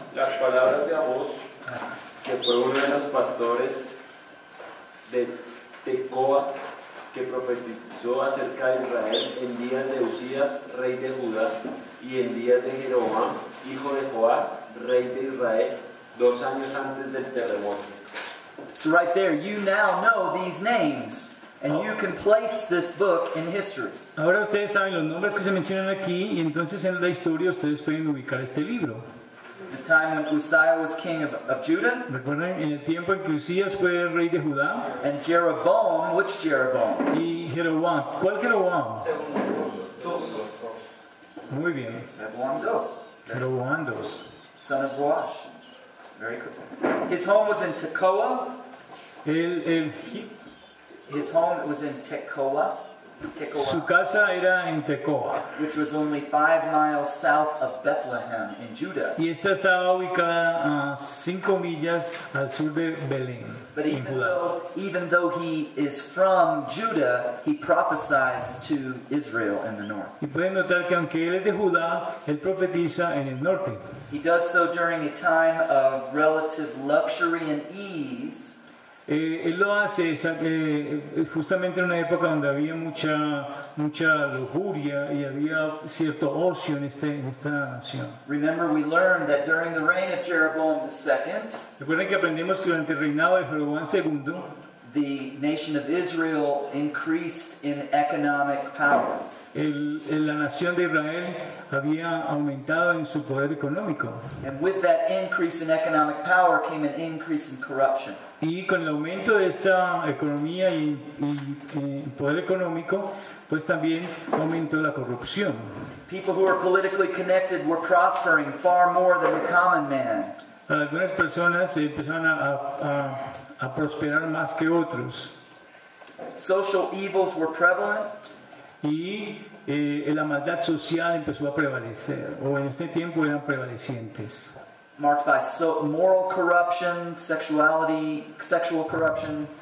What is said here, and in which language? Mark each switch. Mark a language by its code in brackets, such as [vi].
[es] Las palabras de Amos, que fue uno de los pastores de Tecoa, que profetizó acerca de Israel en días de Uzías, rey de Judá, y en días de Jeroboam, hijo de Joás, rey de Israel, 2 años antes del terremoto. [en] So right there, you now know these names, and you can place this book in history. [es] Ahora ustedes saben los nombres que se mencionan aquí, y entonces en la historia ustedes pueden ubicar este libro. [en] The time when Uzziah was king of Judah. [es] ¿Recuerdan? En el tiempo en que Uzías fue rey de Judá. [en] And Jeroboam, which Jeroboam? [es] Y Jeroboam. ¿Cuál Jeroboam? [en] Jeroboam 2. [es] Muy bien. Jeroboam 2. Jeroboam 2. [en] Son of Joash. Very cool. His home was in Tekoa. [es] El [en] his home was in Tekoa. [es] Tekoa, su casa era en Tekoa, [en] which was only 5 miles south of Bethlehem in Judah. [es] Y esta estaba ubicada 5 millas al sur de Belén. [en] But even though he is from Judah, he prophesies to Israel in the north. [es] Y pueden notar que aunque él es de Judá, él profetiza en el norte. [en] He does so during a time of relative luxury and ease. [es] Él lo hace justamente en una época donde había mucha lujuria y había cierto ocio en esta nación. [en] Remember, we learned that during the reign of Jeroboam II. [es] Recuerden que aprendimos que durante el reinado de Jeroboam II, [en] the nation of Israel increased in economic power. [es] La nación de Israel había aumentado en su poder económico. [en] And with that increase in economic power came an increase in corruption. [es] Y con el aumento de esta economía y poder económico, pues también aumentó la corrupción. [en] People who were politically connected were prospering far more than the common man. [es] Algunas personas empezaron a prosperar más que otros. [en] Social evils were prevalent. [es] Y la maldad social empezó a prevalecer, o en este tiempo eran prevalecientes. [en] Marked by moral corruption, sexuality, sexual corruption.